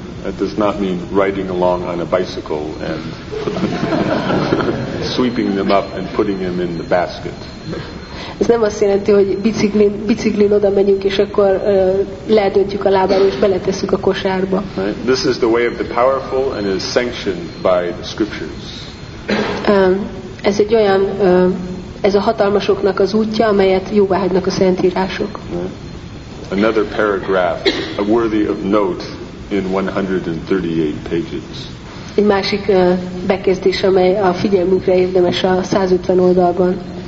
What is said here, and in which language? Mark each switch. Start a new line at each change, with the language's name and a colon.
English: That does not mean riding along on a bicycle and sweeping them up and putting them in the basket.
Hungarian: Ez nem azt jelenti, hogy biciklin oda menjünk, és akkor ledöntjük a lábáról, és beletesszük a kosárba.
English: Right. This is the way of the powerful and is sanctioned by the scriptures.
Hungarian: Ez egy olyan, ez a hatalmasoknak az útja, amelyet jóvá hagynak a szentírások.
English: Right. Another paragraph, a worthy of note in 138 pages.
Hungarian: Egy másik bekezdés, amely a figyelmünkre érdemes a 150 oldalban.